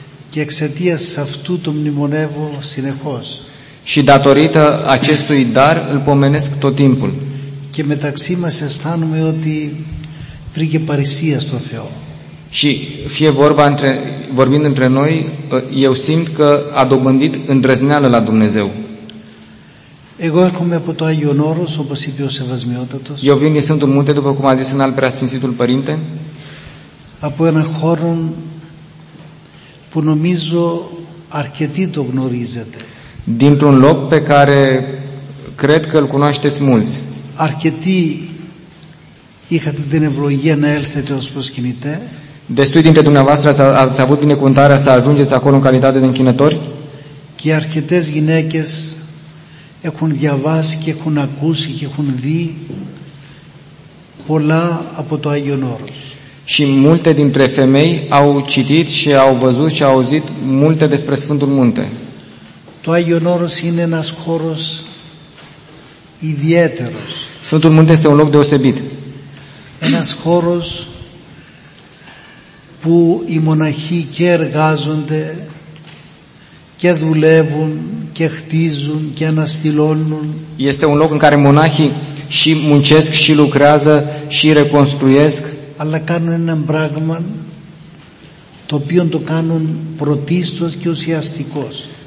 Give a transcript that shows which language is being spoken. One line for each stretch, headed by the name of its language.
Greek: Και εξαιτίας αυτού το μνημονεύω συνεχώς.
Romanian: Și datorită acestui dar îl pomenesc tot timpul.
Greek: Και μεταξύ μας αισθάνομαι ότι βρήκε παρησία στο Θεό.
Romanian: Și fie vorba între, vorbind între noi, eu simt că a dobândit îndrăzneală la Dumnezeu.
Greek: Εγώ έρχομαι από το Άγιον Όρος, όπως είπε ο Σεβασμιότατος.
Romanian: Eu vin din Sfântul Munte, după cum a zis în al preasfințitul Părinte.
Greek: Από ένα χώρο που νομίζω αρκετοί το γνωρίζετε.
Romanian: Dintr-un loc pe care cred că îl cunoașteți mulți.
Greek: Αρκετοί είχατε την ευλογία να έλθετε ως προσκυνητέ.
Romanian: Destui dintre dumneavoastră ați avut binecuvântarea să ajungeți acolo în calitate de închinători.
Greek: Και αρκετές γυναίκες έχουν διαβάσει και έχουν ακούσει και έχουν δει πολλά από το Άγιον Όρος.
Romanian: Și multe dintre femei au citit și au văzut și au auzit multe despre Sfântul Munte.
Greek: Το Άγιον Όρος είναι ένας χώρος ιδιαίτερος.
Romanian: Sfântul Munte este un loc deosebit.
Greek: Ένας χώρος που οι μοναχοί και εργάζονται και δουλεύουν και χτίζουν και αναστηλώνουν.
Romanian: Este un loc în care monahii și muncesc și lucrează și reconstruiesc.
Greek: Αλλά κάνουν ένα πράγμα το οποίο το κάνουν πρωτίστως και ουσιαστικώς.